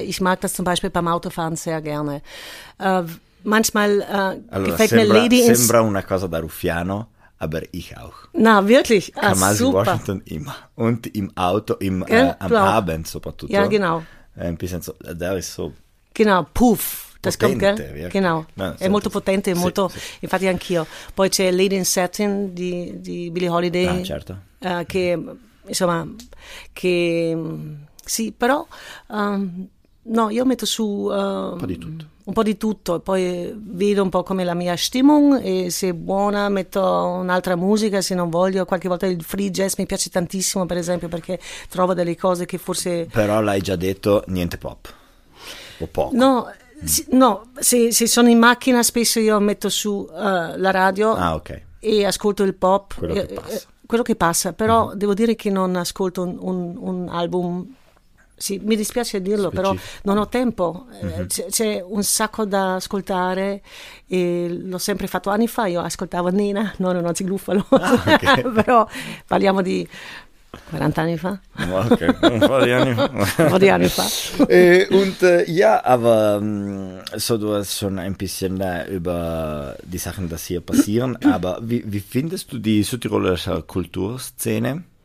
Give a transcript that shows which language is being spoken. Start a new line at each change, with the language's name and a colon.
German: Ich mag das zum Beispiel beim Autofahren sehr gerne. Manchmal gefällt mir Lady in...
Italian: Sembra una cosa da Ruffiano,
German: aber ich auch. Na, wirklich? Kamasi super. Washington immer. Und im Auto, am Abend
Italian: soprattutto.
German: Ja, genau. Ein bisschen so, da ist so... Genau, Puff. Das
Italian: potente,
German: kommt, gell? Wirklich. Genau. Nein,
Italian: è molto potente, sì, molto. Sì. Infatti anch'io. Poi c'è Lady in Satin di Billie Holiday. Ah, certo. Che, insomma, che. Sì, però. No, io metto su. Un po' di tutto. Un po' di tutto. Poi vedo un po' come la mia Stimmung. E se è buona, metto un'altra musica. Se non voglio, qualche volta il free jazz mi piace tantissimo, per esempio, perché trovo delle cose che forse. Però l'hai già detto, niente pop. O poco. No. No, se sono in macchina spesso io metto su la radio e ascolto il pop, quello che passa, però devo dire che non ascolto un album, sì, mi dispiace dirlo, specifico. Però non ho tempo, c'è un sacco da ascoltare e l'ho sempre fatto anni fa, io ascoltavo Nina, non Anzigluffalo, però parliamo di... 40 anni fa.
German: Okay, ein paar Jahre. Ein paar Jahre. Und ja, aber so, du hast schon ein bisschen über die Sachen, die hier passieren. Aber wie findest du die südtirolische Kulturszene?